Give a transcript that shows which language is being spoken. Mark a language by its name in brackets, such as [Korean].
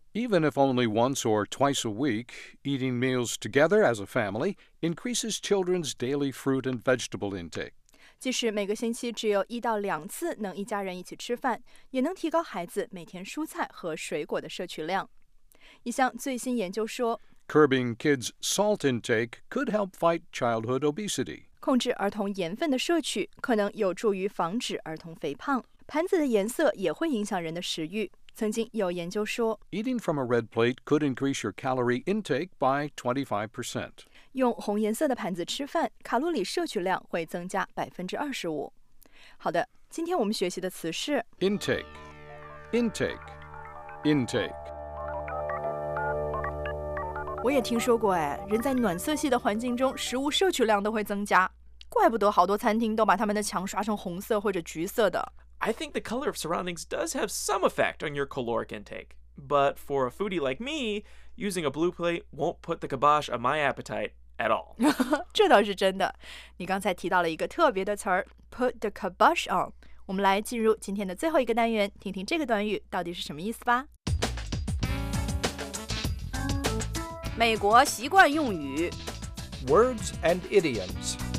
[English] Even if only once or twice a week, eating meals together as a family increases children's daily fruit and vegetable intake. [Chinese] 即使每个星期只有一到两次能一家人一起吃饭，也能提高孩子每天蔬菜和水果的摄取量。一项最新研究说， [English] Curbing kids' salt intake could help fight childhood obesity. [Chinese] 控制儿童盐分的摄取可能有助于防止儿童肥胖。盘子的颜色也会影响人的食欲。曾经有研究说， [English] Eating from a red plate could increase your calorie intake by 25%. [Chinese] 用红颜色的盘子吃饭，卡路里摄取量会增加25%。好的，今天我们学习的词是 [English] intake, intake, intake. [Chinese] 我也听说过，哎，人在暖色系的环境中，食物摄取量都会增加，怪不得好多餐厅都把他们的墙刷成红色或者橘色的。 [English] I think the color of surroundings does have some effect on your caloric intake, but for a foodie like me, using a blue plate won't put the kibosh on my appetite at all. [Chinese] 这倒是真的。你刚才提到了一个特别的词儿 ， [English] put the kibosh on。 [Chinese] 我们来进入今天的最后一个单元，听听这个短语到底是什么意思吧。美国习惯用语 [English] Words and idioms